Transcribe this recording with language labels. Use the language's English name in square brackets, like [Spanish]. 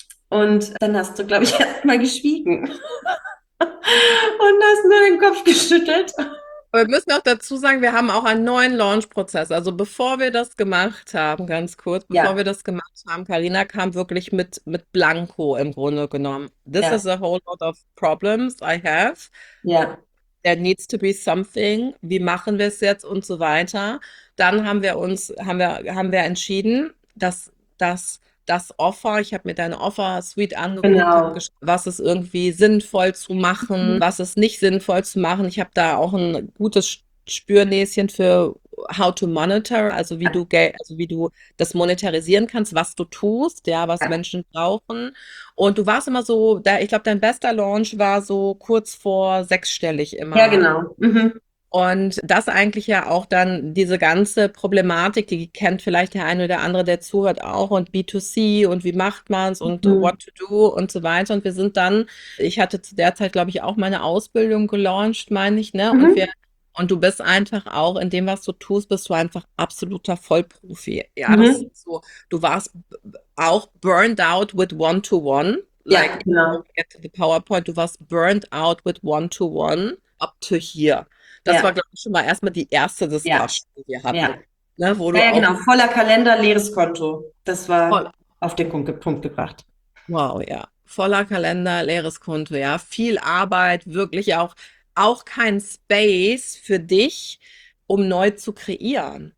[German] Und dann hast du, glaube ich, erst mal geschwiegen. Und hast nur den Kopf geschüttelt. Wir müssen auch dazu sagen, wir haben auch einen neuen Launch-Prozess. Also bevor wir das gemacht haben, ganz kurz, bevor wir das gemacht haben, Carina kam wirklich mit Blanko im Grunde genommen. [English] This is a whole lot of problems I have. There needs to be something. [German] Wie machen wir es jetzt und so weiter. Dann haben wir uns, haben wir entschieden, dass das Offer, ich habe mir deine Offer-Suite angeguckt, was ist irgendwie sinnvoll zu machen, was ist nicht sinnvoll zu machen. Ich habe da auch ein gutes Spürnäschen für [English] how to monitor, [German] also wie du Geld, also wie du das monetarisieren kannst, was du tust, ja, was Menschen brauchen. Und du warst immer so, da, ich glaube, dein bester Launch war so kurz vor sechsstellig immer. Ja, genau. Mhm. Und das eigentlich ja auch dann diese ganze Problematik, die kennt vielleicht der eine oder andere, der zuhört auch, und B2C und wie macht man's und [English] what to do [German] und so weiter. Und wir sind dann, ich hatte zu der Zeit, glaube ich, auch meine Ausbildung gelauncht, meine ich, ne? Mhm. Und du bist einfach auch in dem, was du tust, bist du einfach absoluter Vollprofi. Ja, mhm. Das ist so. Du warst auch [English] burned out with one-to-one. [German] Like, ja, genau. [English] Get to the PowerPoint. [German] Du warst [English] burned out with one-to-one up to here. [German] Das ja. war, glaube ich, schon mal erstmal die erste Discussion, ja. die wir hatten. Ja, ne, wo du ja, ja genau. Voller Kalender, leeres Konto. Das war voller. Auf den Punkt gebracht. Wow, ja. Voller Kalender, leeres Konto, ja. Viel Arbeit, wirklich auch kein Space für dich, um neu zu kreieren.